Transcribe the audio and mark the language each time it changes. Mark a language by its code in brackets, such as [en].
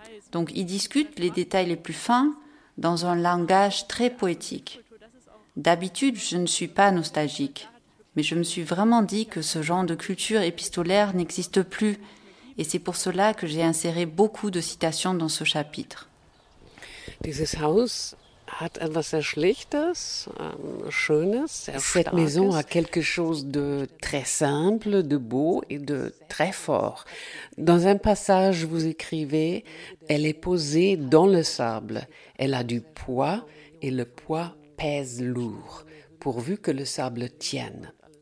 [fr] Donc ils discutent les détails les plus fins dans un langage très poétique. D'habitude, je ne suis pas nostalgique, mais je me suis vraiment dit que ce genre de culture épistolaire n'existe plus, et c'est pour cela que j'ai inséré beaucoup de citations dans ce chapitre. [de] Dieses Haus hat etwas sehr Schlichtes, Schönes, sehr Starkes. [fr] Cette maison a quelque chose de très simple, de beau et de très fort. Dans un passage, vous écrivez, elle est posée dans le sable. Elle a du poids et le poids pèse lourd, pourvu que le sable tienne.